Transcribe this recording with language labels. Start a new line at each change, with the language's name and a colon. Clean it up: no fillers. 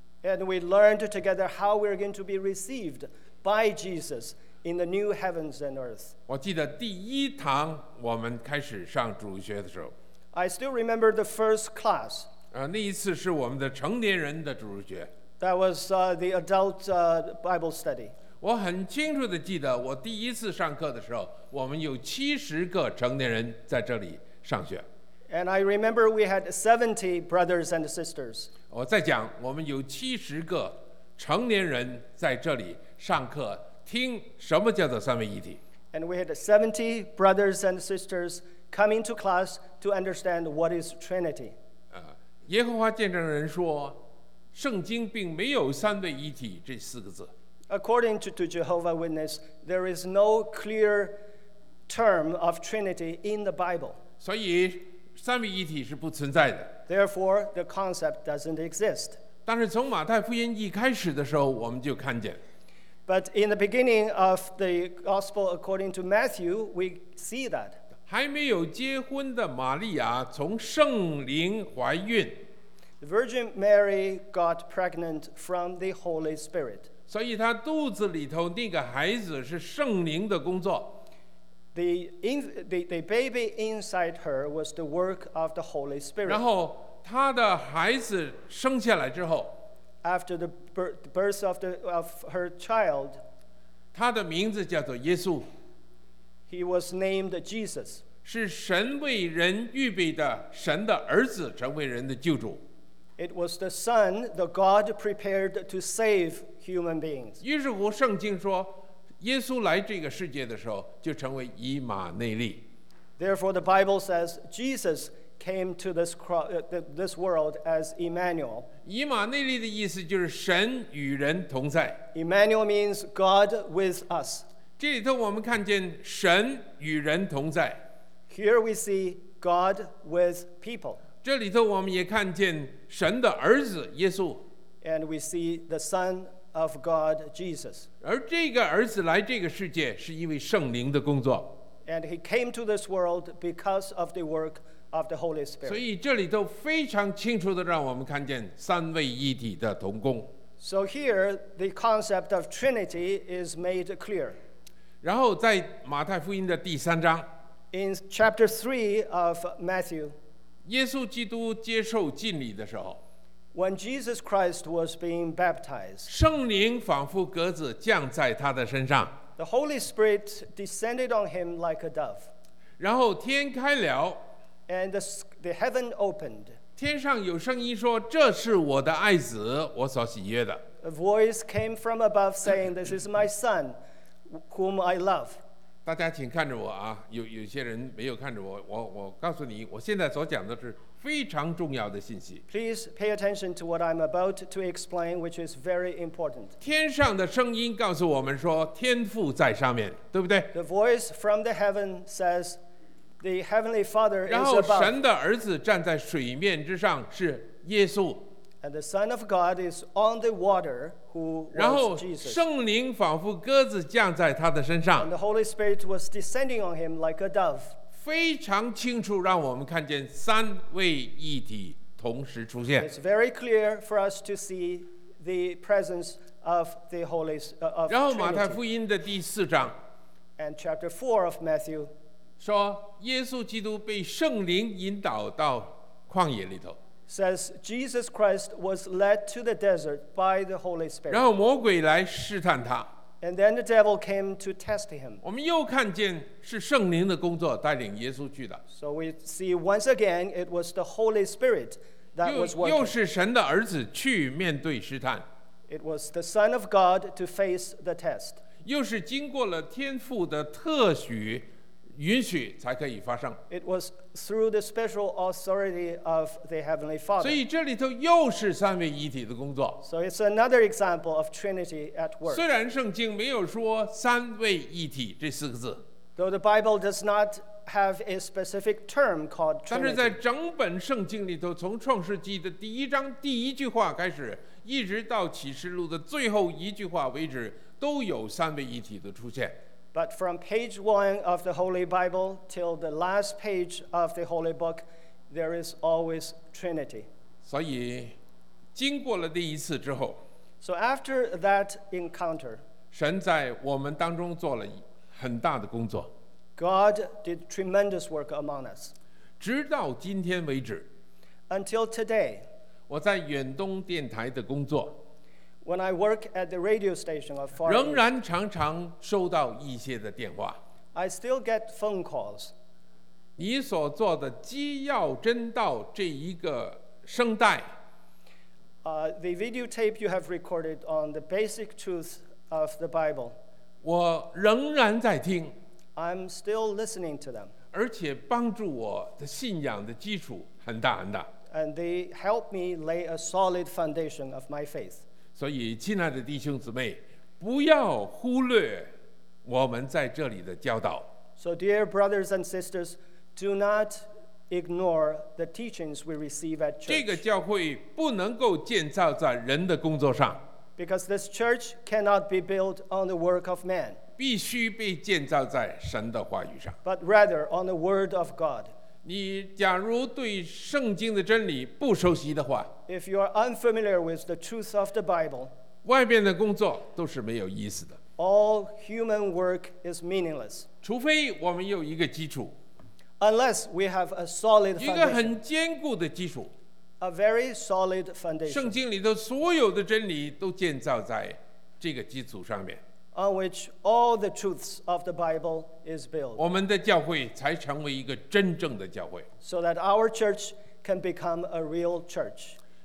English: And we learned together how we're going to be received by Jesus in the new heavens and earth.
Chinese: 我记得第一堂我们开始上主日学的时候，
English: I still remember the first class.
Chinese: 那一次是我们的成年人的主日学。
English: That was the adult Bible study.
Chinese: 我很清楚地记得，我第一次上课的时候，我们有70个成年人在这里上学。
English: And I remember we had 70 brothers and sisters.
Chinese: 我再讲，我们有70个成年人在这里上课，听什么叫做三位一体。
English: And we had 70 brothers and sisters coming to class to understand what is Trinity.
Chinese: 耶和华见证人说，圣经并没有三位一体这四个字。
English: According to Jehovah's Witness, there is no clear term of Trinity in the Bible.
Chinese: 所以三位一体是不存在的。
English: Therefore, the concept doesn't exist.
Chinese: 但是从马太福音一开始的时候，我们就看见。
English: But in the beginning of the Gospel according to Matthew, we see that.
Chinese: 还没有结婚的玛利亚从圣灵怀孕。
English: The Virgin Mary got pregnant from the Holy Spirit.
Chinese: 所以她肚子里头那个孩子是圣灵的工作。
English: The baby inside her was the work of the Holy Spirit.
Chinese: 然后她的孩子生下来之后，
English: After the birth of her child,
Chinese: 她的名字叫做耶稣。
English: He was named Jesus.
Chinese: 是神为人预备的神的儿子成为人的救主。
English: It was the Son that God prepared to save human beings.
Chinese: 于是乎圣经说耶稣来这个世界的时候就成为以马内利。
English: Therefore, the Bible says Jesus came to this world as Emmanuel.
Chinese: 以马内利的意思就是神与人同在。
English: Emmanuel means God with us.
Chinese: 这里头我们看见神与人同在。
English: Here we see God with people.
Chinese: 这里头我们也看见神的儿子耶稣。
English: And we see the Son of God, Jesus.
Chinese: 而这个儿子来这个世界是因为圣灵的工作。
English: And he came to this world because of the work of the Holy Spirit.
Chinese: 所以这里都非常清楚地让我们看见三位一体的同工。
English: So here, the concept of Trinity is made clear.
Chinese: 然后在马太福音的第三章，
English: In chapter 3 of Matthew,
Chinese: 耶稣基督接受浸礼的时候，
English: When Jesus Christ was being baptized,
Chinese: 圣灵仿佛鸽子降在他的身上。
English: The Holy Spirit descended on him like a dove.
Chinese: 然后天开了。
English: And the heaven opened.
Chinese: 天上有声音说，这是我的爱子，我所喜悦的。
English: A voice came from above saying, This is my son, whom I love.
Chinese: 大家请看着我啊，有些人没有看着我，我告诉你，我现在所讲的是非常重要的信息。
English: Please pay attention to what I'm about to explain, which is very important.
Chinese: 天上的声音告诉我们说，天父在上面，对不对？
English: The voice from the heaven says, the heavenly Father is above.
Chinese: 然后神的儿子站在水面之上，是耶稣。
English: And the Son of God is on the water, who was Jesus.
Chinese: 然后圣灵仿佛鸽子降在他的身上。
English: And the Holy Spirit was descending on him like a dove.
Chinese: 非常清楚，让我们看见三位一体同时出现。
English: It's very clear for us to see the presence of the Holy of.
Chinese: 然后马太福音的第四章
English: ，and chapter 4 of Matthew,
Chinese: 说耶稣基督被圣灵引导到旷野里头。
English: Says Jesus Christ was led to the desert by the Holy Spirit.
Chinese: 然后魔鬼来试探他。
English: And then the devil came to test him.
Chinese: 我们又看见是圣灵的工作带领耶稣去的。
English: So we see once again it was the Holy Spirit that was working.
Chinese: 又是神的儿子去面对试探。
English: It was the Son of God to face the test.
Chinese: 又是经过了天父的特许允许才可以发生。
English: It was through the special authority of the Heavenly Father.
Chinese: 所以这里头又是三位一体的工作。
English: So it's another example of Trinity at work.
Chinese: 虽然圣经没有说三位一体这四个字，
English: Though the Bible does not have a specific term called Trinity.
Chinese: 但是在整本圣经里头，从创世纪的第一章第一句话开始，一直到启示录的最后一句话为止，都有三位一体的出现。
English: But from page 1 of the Holy Bible till the last page of the Holy Book, there is always Trinity.
Chinese: 所以经过了第一次之后，
English: So after that encounter,
Chinese: 神在我们当中做了很大的工作。
English: God did tremendous work among us.
Chinese: 直到今天为止，
English: Until today,
Chinese: 我在远东电台的工作，
English: When I work at the radio station of far,
Chinese: 仍然常常收到一些的电话。
English: I still get phone calls.
Chinese: 你所做的基要真道这一个声带，
English: the videotape you have recorded on the basic truths of the Bible.
Chinese: 我仍然在听。
English: I'm still listening to them.
Chinese: 而且帮助我的信仰的基础很大很大。
English: And they help me lay a solid foundation of my faith.
Chinese: 所以，亲爱的弟兄姊妹，不要忽略我们在这里的教导。
English: So, dear brothers and sisters, do not ignore the teachings we receive at church.
Chinese: 这个教会不能够建造在人的工作上。
English: Because this church cannot be built on the work of man.
Chinese: 必须被建造在神的话语上。
English: But rather on the word of God.
Chinese: 你假如对圣经的真理不熟悉的话
English: If you are unfamiliar with the truth of the Bible,
Chinese: 外面的工作都是没有意思的
English: All human work is meaningless.
Chinese: 除非我们有一个基础
English: Unless we have a solid foundation.
Chinese: 一个很坚固的基础
English: A very solid foundation.
Chinese: 圣经里的所有的真理都建造在这个基础上面
English: On which all the truths of the Bible is built.
Chinese: 我们的教会才成为一个真正的教会。
English: So that our church can become a real church.